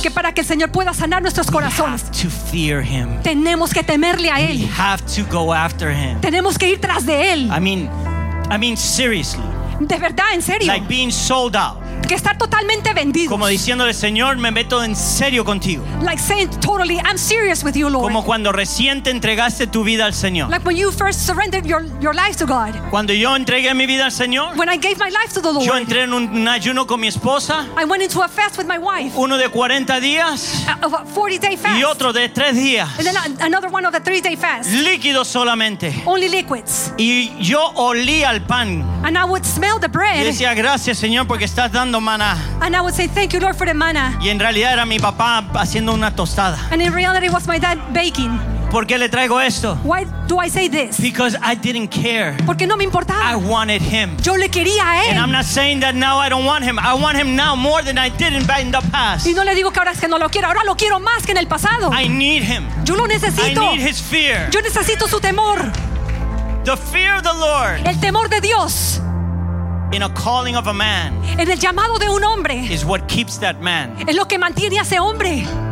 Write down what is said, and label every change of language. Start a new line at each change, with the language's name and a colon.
Spanish: Que para que el Señor pueda sanar nuestros corazones.
English: We have to fear him.
Spanish: Tenemos que temerle a él.
English: We have to go after him.
Spanish: Tenemos que ir tras de él.
English: I mean seriously.
Spanish: De verdad, en serio.
English: Like being sold out.
Spanish: Que estar totalmente vendido. Como diciéndole, Señor, me meto en serio contigo.
English: Like saying totally, I'm serious with you, Lord.
Spanish: Como cuando recién te entregaste tu vida al Señor.
English: Like when you first surrendered your life to God.
Spanish: Cuando yo entregué mi vida al Señor.
English: When I gave my life to the Lord.
Spanish: Yo entré en un ayuno con mi esposa.
English: I went into a fast with my wife.
Spanish: Uno de 40 días.
English: A 40-day fast.
Spanish: Y otro de 3 días.
English: And then another one of the 3-day fast.
Spanish: Líquidos solamente.
English: Only liquids.
Spanish: Y yo olía el pan.
English: And I would smell the bread.
Spanish: Y decía, gracias, Señor, porque estás dando maná.
English: And I would say thank you, Lord, for the manna.
Spanish: Y en realidad era mi papá haciendo una tostada.
English: And in reality it was my dad baking.
Spanish: ¿Por qué le traigo esto?
English: Why do I say this? Because I didn't care.
Spanish: Porque no me importaba.
English: I wanted him.
Spanish: Yo le quería a él.
English: And I'm not saying that now I don't want him. I want him now more than I did in the past.
Spanish: Y no le digo que ahora es que no lo quiero. Ahora lo quiero más que en el pasado.
English: I need him.
Spanish: Yo lo necesito.
English: I need his fear.
Spanish: Yo necesito su temor.
English: The fear of the Lord.
Spanish: El temor de Dios.
English: In a calling of a man.
Spanish: En el llamado de un hombre.
English: Is what keeps that man.
Spanish: Es lo que mantiene a ese hombre.